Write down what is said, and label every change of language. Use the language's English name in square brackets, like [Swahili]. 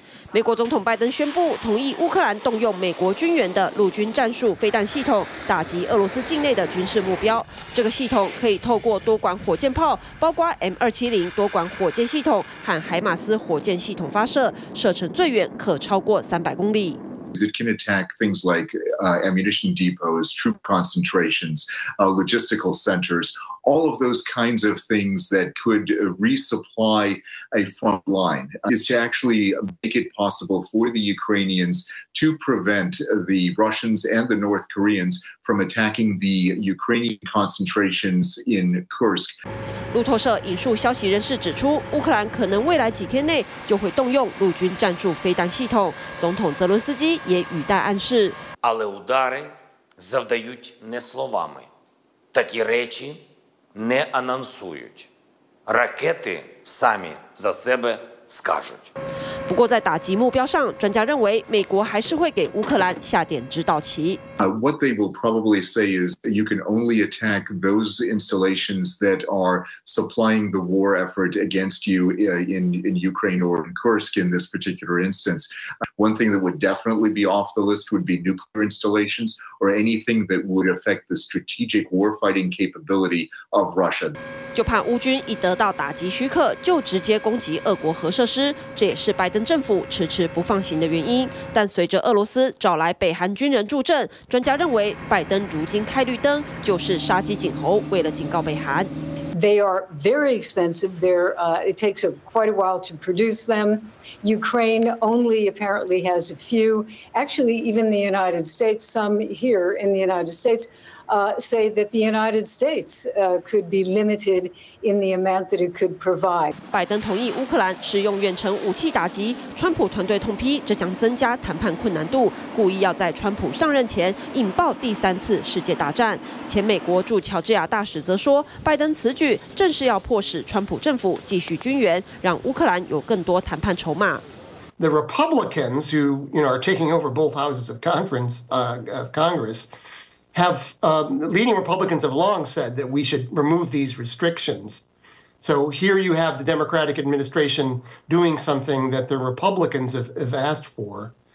[Chinese] 美国总统拜登宣布同意乌克兰动用美国军援的陆军战术飞弹系统打击俄罗斯境内的军事目标。这个系统可以透过多管火箭炮，包括 M270 多管火箭系统和海马斯火箭系统发射，射程最远可超过300公里。 [English] It can attack things like ammunition depots, troop concentrations, logistical centers, all of those kinds of things that could resupply a front line. It's to actually make it possible for the Ukrainians to prevent the Russians and the North Koreans from attacking the Ukrainian concentrations in Kursk. [Chinese] 路透社引述消息人士指出，乌克兰可能未来几天内就会动用陆军战术飞弹系统。总统泽伦斯基也语带暗示。 [Ukrainian] Але удари завдають не словами, такі речі не анонсують. Ракети самі за себе скажуть. [Chinese] 不过在打击目标上，专家认为美国还是会给乌克兰下点指导棋。 [English] What they will probably say is you can only attack those installations that are supplying the war effort against you in Ukraine or in Kursk in this particular instance. One thing that would definitely be off the list would be nuclear installations or anything that would affect the strategic warfighting capability of Russia. [Chinese] 就怕乌军一得到打击许可，就直接攻击俄国核设施，这也是拜登政府迟迟不放行的原因。但随着俄罗斯找来北韩军人助阵，专家认为拜登如今开绿灯就是杀鸡儆猴，为了警告北韩。 [English] They are very expensive. It takes quite a while to produce them. Ukraine only apparently has a few. Actually, even the United States, some here in the United States, say that the United States could be limited in the amount that it could provide. [Chinese] 拜登同意乌克兰使用远程武器打击，川普团队痛批这将增加谈判困难度，故意要在川普上任前引爆第三次世界大战。前美国驻乔治亚大使则说，拜登此举正是要迫使川普政府继续军援，让乌克兰有更多谈判筹码。 [English] The Republicans who are taking over both houses of Congress. Leading Republicans have long said that we should remove these restrictions. So here you have the Democratic administration doing something that the Republicans have asked for.